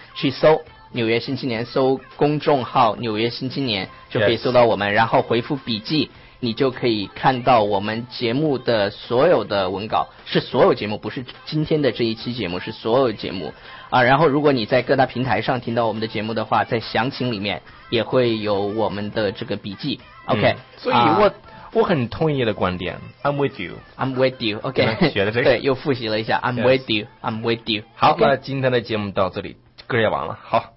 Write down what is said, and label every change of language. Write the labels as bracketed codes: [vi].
[zh] 去搜纽约新青年，搜公众号纽约新青年就可以搜到我们，然后回复笔记，你就可以看到我们节目的所有的文稿，是所有节目，不是今天的这一期节目，是所有节目啊。然后如果你在各大平台上听到我们的节目的话，在详情里面也会有我们的这个笔记。 [en] OK， [zh] 所以我很同意的观点 ， [en] I'm with you. I'm with you. OK， [zh] 学的这个，对，又复习了一下 ， [en] I'm with you. I'm with you. [zh] 好， [en] okay. [zh] 那今天的节目到这里，歌也完了，好，